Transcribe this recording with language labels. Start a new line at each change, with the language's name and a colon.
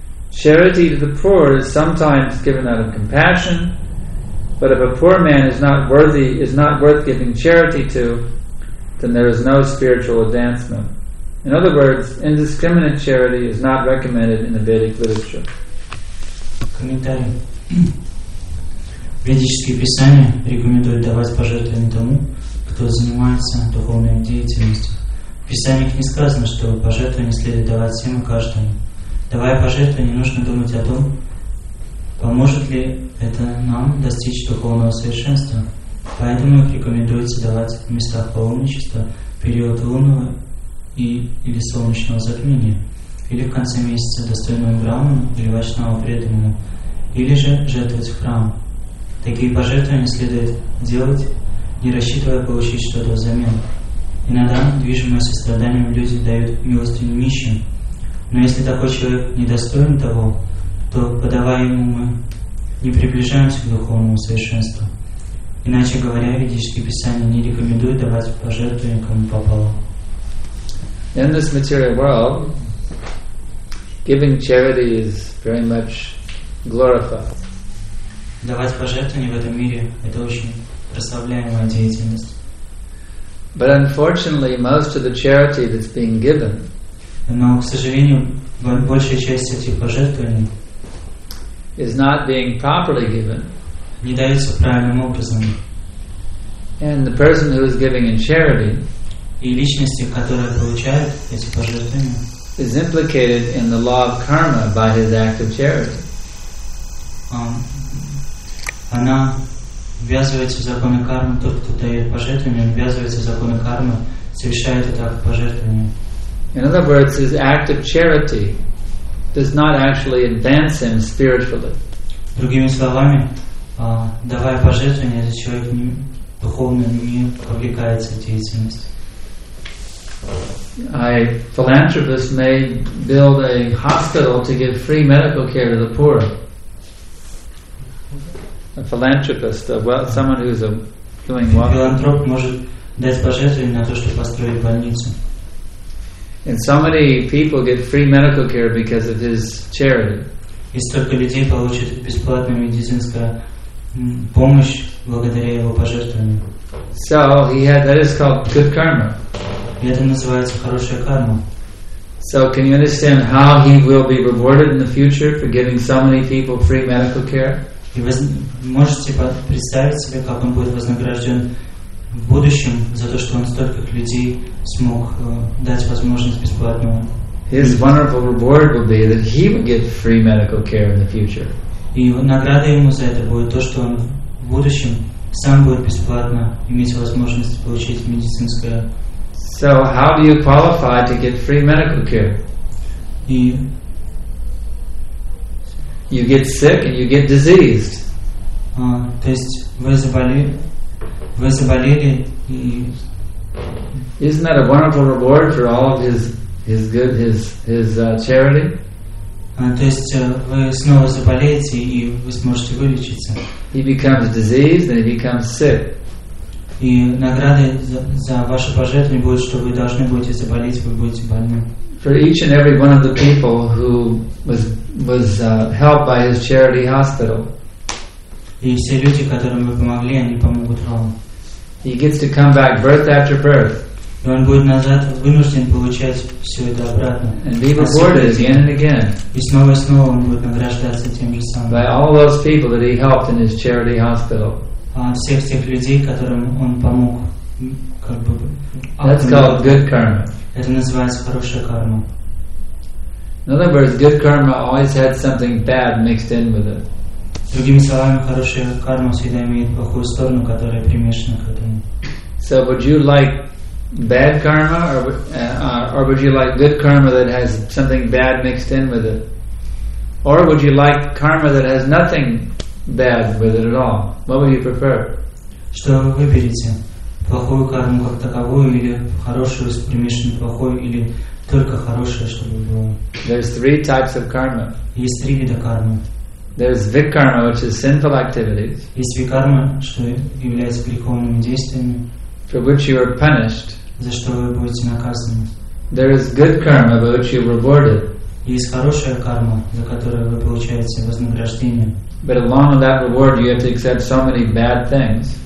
English: Charity to the poor is sometimes given out of compassion, but if a poor man is not worth giving charity to, then there is no spiritual advancement. In other words, indiscriminate charity is not recommended in the Vedic literature.
Russian: Комментарий. Ведические писания рекомендуют давать пожертвования тому, кто занимается духовной деятельностью. В писаниях не сказано, что пожертвования следует давать всем и каждому. Давая пожертвования, нужно думать о том, поможет ли это нам достичь духовного совершенства. Поэтому рекомендуется давать в местах паломничества, период лунного или солнечного затмения, или в конце месяца достойному браману или вайшнаву преданному, или же жертвовать в храм. Такие пожертвования следует делать, не рассчитывая получить что-то взамен. Иногда, движимые состраданием, люди дают милостыню нищим. Но если такой человек недостоин того, то, подавая ему, мы не приближаемся к духовному совершенству. Иначе говоря, ведические писания не рекомендуют давать пожертвования кому попало.
English: In this material world, giving charity is very much glorified.
Russian: Давать пожертвования в этом мире – это очень прославляемая деятельность.
English: But unfortunately, most of the charity that's being given,
Russian: но, к сожалению, большая часть этих пожертвований
English: is not being properly given.
Russian: Не дается правильным образом.
English: And the person who is giving in charity,
Russian: и личности, которые получают эти пожертвования,
English: is implicated in the law of karma by his act of charity.
Russian: Она ввязывается в законы кармы, тот, кто дает пожертвование, ввязывается в законы кармы, совершает это пожертвование.
English: In other words, his act of charity does not actually advance him spiritually.
Russian: Другими словами, давая пожертвование, этот человек духовно не привлекается к деятельности.
English: A philanthropist may build a hospital to give free medical care to the poor. A philanthropist, someone who's doing well.
Russian: Филантроп может дать пожертвование на то, чтобы построить больницу.
English: And so many people get free medical care because of his charity.
Russian: И столько людей получат бесплатную медицинскую помощь благодаря его пожертвованию.
English: So he had, that is called good karma.
Russian: И это называется хорошая карма.
English: So can you understand how he will be rewarded in the future for giving so many people free medical care?
Russian: И вы можете представить себе, как он будет вознагражден в будущем за то, что он столько людей смог дать возможность бесплатного.
English: His wonderful reward will be that he will get free medical care in the future.
Russian: И награда ему за это будет то, что он в будущем сам будет бесплатно иметь возможность получить медицинское.
English: So how do you qualify to get free medical care?
Russian: И
English: you get sick and you get diseased.
Russian: То есть вы заболели и...
English: Isn't that a wonderful reward for all of his charity?
Russian: То есть вы снова заболеете и вы сможете вылечиться.
English: He becomes diseased and he becomes sick.
Russian: И награды за ваше пожертвование будет, что вы должны будете заболеть, вы будете больны.
English: For each and every one of the people who was helped by his charity hospital.
Russian: И все люди, которым вы помогли, они помогут вам.
English: He gets to come back birth after birth.
Russian: И он будет назад вынужден получать все это обратно.
English: And be rewarded again and again.
Russian: И снова и снова он будет награждаться тем же самым.
English: By all those people that he helped in his charity hospital.
Russian: Всех тех людей, которым он помог, как бы.
English: That's called good karma.
Russian: Это называется хорошая карма.
English: In other words, good karma always had something bad mixed in with it.
Russian: Другими словами, хорошая карма всегда имеет плохую сторону, которая примешана к этому.
English: So would you like bad karma, or would you like good karma that has something bad mixed in with it, or would you like karma that has nothing bad with it at all? What would you prefer?
Russian: Что вы выберете? Плохую карму как таковую, или хорошую с примешанной плохой, или только хорошее, чтобы было?
English: There's three types of karma.
Russian: Есть три вида кармы.
English: There is vikarma, which is sinful activities.
Russian: Есть викарма, что является греховными действиями.
English: For which you are punished.
Russian: За что вы будете наказаны.
English: There is good karma, by which you are rewarded.
Russian: Есть хорошая карма, за которую вы получаете вознаграждение.
English: But along with that reward, you have to accept so many bad things.